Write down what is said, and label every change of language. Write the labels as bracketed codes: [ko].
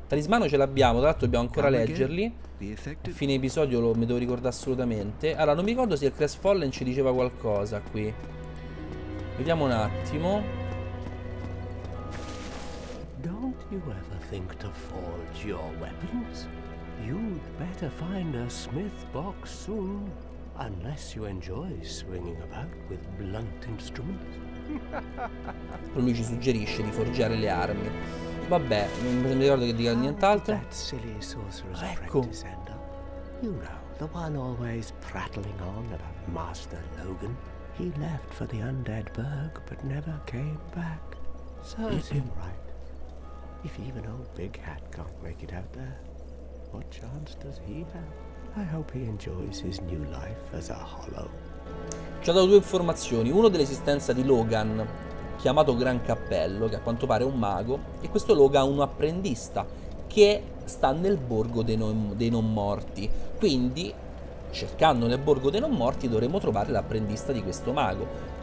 [it] Talismano ce l'abbiamo, tra l'altro dobbiamo ancora leggerli. A fine episodio me devo ricordare assolutamente. Allora, non mi ricordo se il Crestfallen ci diceva qualcosa qui. Vediamo un attimo. [en] Don't you ever think to forge your weapons? You'd better find a smith box soon. Unless you enjoy swinging about with blunt instruments. [it] Lui ci suggerisce di forgiare le armi. Vabbè, non mi ricordo che dica nient'altro. [en] That silly sorcerer's apprentice, Ender. You know, the one always prattling on about Master Logan. He left for the undead burg, but never came back. Serves him right. If even old Big Hat can't make it out there, what chance does he have? I hope he enjoys his new life as a hollow. [it] Ci ha dato due informazioni. Uno dell'esistenza di Logan, chiamato Gran Cappello, che a quanto pare è un mago. E questo Logan ha un apprendista che sta nel borgo dei non morti. Quindi, cercando nel borgo dei non morti, dovremo trovare l'apprendista di questo mago.